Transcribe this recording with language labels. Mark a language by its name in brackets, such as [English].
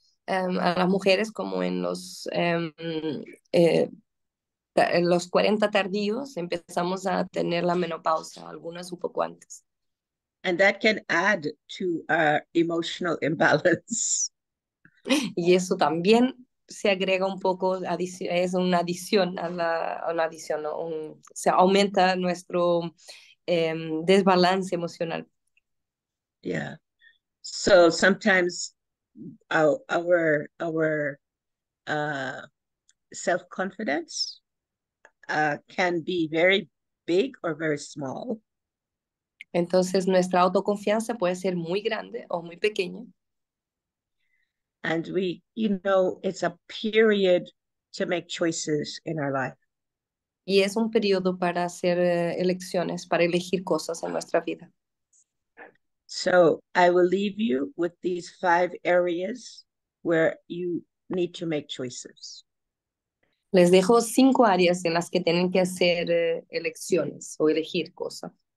[Spanish] A las mujeres como en los 40 tardíos empezamos a tener la menopausa, algunas un poco antes. [English] And that can add to our emotional imbalance. [Spanish] Y eso también se agrega un poco, es una adición a la, una adición, ¿no? Un, o sea, aumenta nuestro desbalance emocional. [English] Yeah. So sometimes our self-confidence can be very big or very small. [Spanish] Entonces nuestra autoconfianza puede ser muy grande o muy pequeña. [English] And we, you know, it's a period to make choices in our life. [Spanish] Y es un periodo para hacer elecciones, para elegir cosas en nuestra vida. [English] So I will leave you with these five areas where you need to make choices. [Spanish] Les dejo cinco áreas en las que tienen que hacer elecciones o elegir cosas.